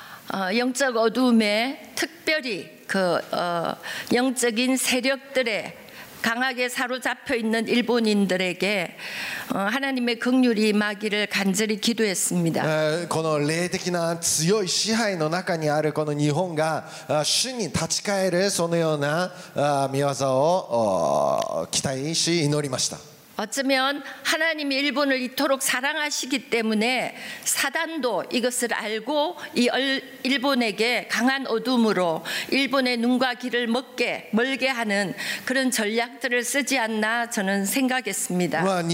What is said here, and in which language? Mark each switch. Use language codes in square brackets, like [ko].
[ko] 영적 어둠에 특별히 그 영적인 세력들의 강하게 사로잡혀 있는 일본인들에게 하나님의 긍휼이 임하기를 간절히 기도했습니다. [ja] この霊的な強い支配の中にあるこの日本が主に立ち返るそのような御業を期待し祈りました。 [ko] 어쩌면 하나님이 일본을 이토록 사랑하시기 때문에 사단도 이것을 알고 이 일본에게 강한 어둠으로 일본의 눈과 귀를 멀게 하는 그런 전략들을 쓰지 않나 저는 생각했습니다.